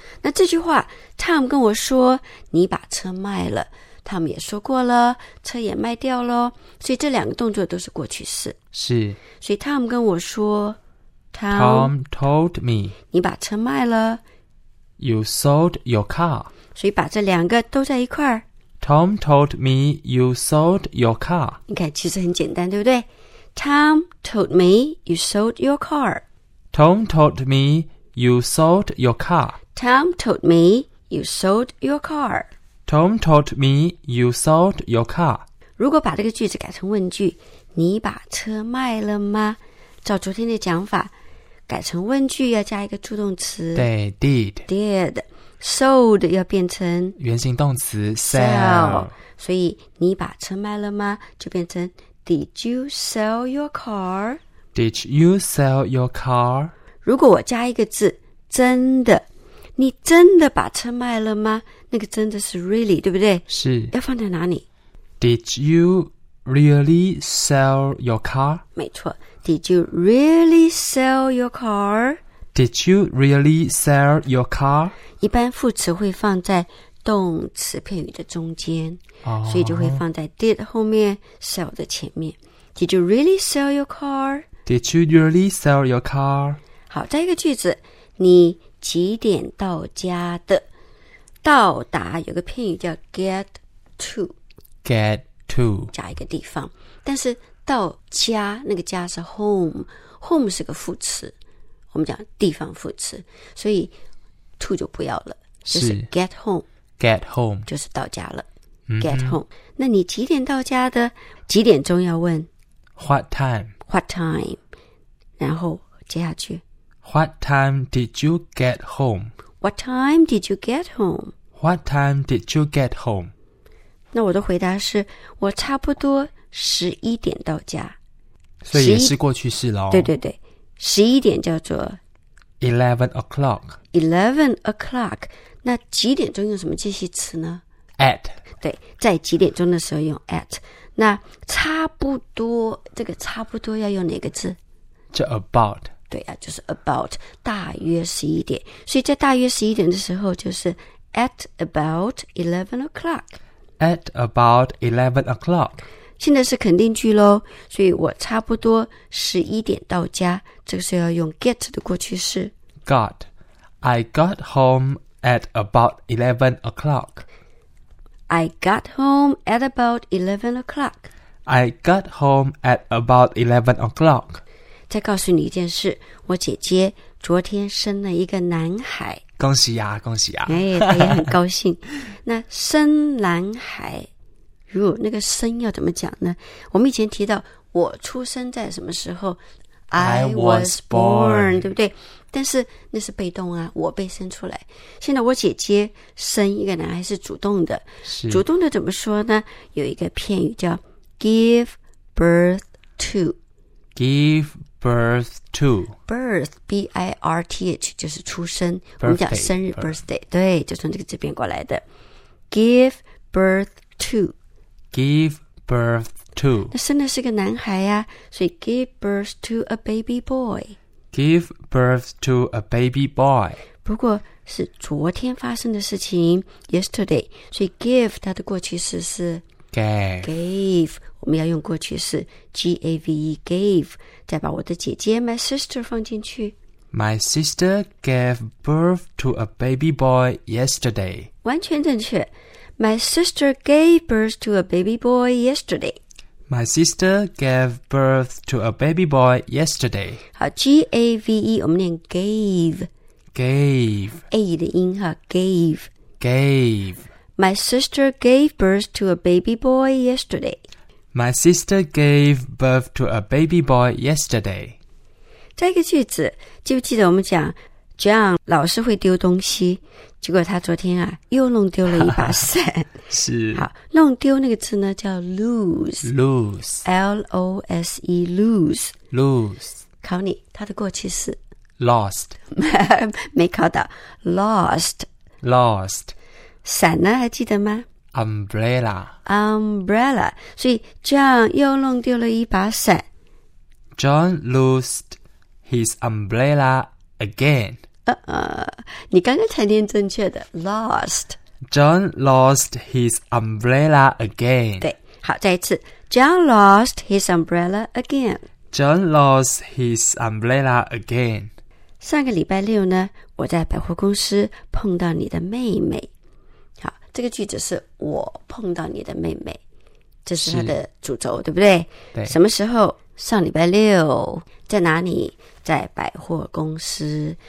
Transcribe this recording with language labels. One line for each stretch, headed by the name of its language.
Chinese: 那这句话 Tom 跟我说你把车卖了， Tom 也说过了，车也卖掉了，所以这两个动作都是过去式。是，所以 Tom 跟我说
English: Tom told me
Chinese: 你把车卖了。
English: You sold your car.
Chinese: 所以把这两个都在一块儿。
English: Tom told me you sold your car.
Chinese: 你看，其实很简单，对不对？
English: Tom told me you sold your car. Tom told me you sold your car. Tom told me you sold your car. Tom told me you sold your car.
Chinese: 如果把这个句子改成问句，你把车卖了吗？照昨天的讲法改成问句要加一个助动词，对 ，did, did, sold 要变成原形动词 sell, 所以你把车卖了吗？就变成
English: Did you sell your car? Did you sell your car?
Chinese: 如果我加一个字，真的，你真的把车卖了吗？那个真的是 really, 对不对？是，要放在哪里
English: ？Did you really sell your car?
Chinese: 没错。
English: Did you really sell your car? Did you really sell your car?
Chinese: 一般副词会放在动词片语的中间、所以就会放在 did 后面 sell 的前面。
English: Did you really sell your car? Did you really sell your car?
Chinese: 好，再一个句子，你几点到家的？到达有个片语叫 get to,
English: get to
Chinese: 加一个地方，但是到家，那个家是 home, home 是个副词，我们讲地方副词，所以 to 就不要了，就是 get home,
English: get home
Chinese: 就是到家了、get home。那你几点到家的？几点钟要问
English: what time, what time,
Chinese: 然后接下去
English: what time did you get home, what time did you get home, what time did you get home。
Chinese: 那我的回答是我差不多11点到家，所以也是过去式咯。对对对，11点叫做
English: 11 o'clock, 11 o'clock。
Chinese: 那几点钟用什么介系词呢？
English: at,
Chinese: 对，在几点钟的时候用 at。那差不多，这个差不多要用哪个字？
English: 就 about,
Chinese: 对啊，就是 about, 大约11点，所以在大约11点的时候就是
English: at about 11 o'clock, at about 11 o'clock。
Chinese: 现在是肯定句咯，所以我差不多11点到家，这个时候要用 get 的过去式
English: got, I got home at about 11 o'clock, I got home at about 11 o'clock, I got home at about 11 o'clock。
Chinese: 再告诉你一件事，我姐姐昨天生了一个男孩，恭喜呀、恭喜呀、哎、她也很高兴。那生男孩那个生要怎么讲呢？我们以前提到我出生在什么时候，
English: I was born,
Chinese: 对不对？但是那是被动啊，我被生出来。现在我姐姐生一个男孩是主动的，是主动的。怎么说呢？有一个片语叫 give birth to,
English: give birth to,
Chinese: birth, B-I-R-T-H, 就是出生、我们讲生日 birthday, 对，就从这个字变过来的。
English: give birth to. Give birth to.
Chinese: 那生的是个男孩啊，所以
English: give birth to a baby boy. Give birth to a baby boy.
Chinese: 不过是昨天发生的事情 yesterday, 所以 give 它的过去式是
English: gave
Chinese: 我们要用过去式 G-A-V-E, gave, 再把我的姐姐
English: my sister
Chinese: 放进去。
English: My sister gave birth to a baby boy yesterday.
Chinese: 完全正确。
English: My sister gave birth to a baby boy yesterday. My sister gave birth to a baby boy yesterday.
Chinese: 好 ,G-A-V-E, 我们念 gave.
English: Gave.
Chinese: A 的音哈 ,gave.
English: Gave. My sister gave birth to a baby boy yesterday. My sister gave birth to a baby boy yesterday.
Chinese: 再一个句子，记不记得我们讲 John 老是会丢东西，结果他昨天啊又弄丢了一把伞。是。好，弄丢那个字呢叫 lose。
English: lose。 L-O-S-E, lose。 lose。
Chinese: 考你，他的过去式。
English: lost。
Chinese: 没考到。lost。
English: lost。
Chinese: 伞呢还记得吗？
English: umbrella。 umbrella。
Chinese: 所以 John 又弄丢了一把伞。
English: John lost. His umbrella again.
Chinese: 你刚刚才念正确的 lost.
English: John lost his umbrella again.
Chinese: 对，好，再一次
English: John lost his umbrella again. John lost his umbrella again.
Chinese: 上个礼拜六呢，我在百货公司碰到你的妹妹。好，这个句子是我碰到你的妹妹，这是它的主轴，对不对？对。什么时候？上礼拜六，在哪里？在百货公司。